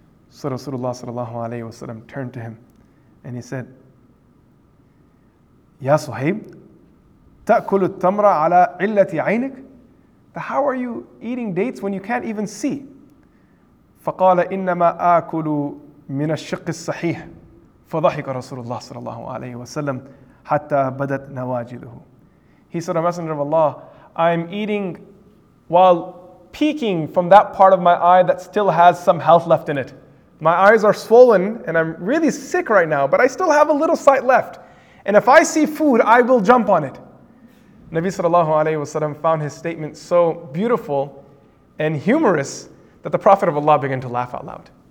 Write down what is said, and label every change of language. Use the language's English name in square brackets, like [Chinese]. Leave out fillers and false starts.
[English] So Rasulullah sallallahu alayhi wa sallam turned to him and he said, [Arabic] Ya Suhaib, ta'kulu at-tamra ala 'illati 'aynik? [English] How are you eating dates when you can't even see? [Arabic] فقال إنما آكل من الشق الصحيح. فضحك رسول الله صلى الله عليه وسلم حتى بدت نواجذه. [English] He said, O Messenger of Allah, I'm eating while peeking from that part of my eye that still has some health left in it. My eyes are swollen and I'm really sick right now, but I still have a little sight left. And if I see food, I will jump on it. Nabi sallallahu alayhi wasallam found his statement so beautiful and humorous that the Prophet of Allah began to laugh out loud.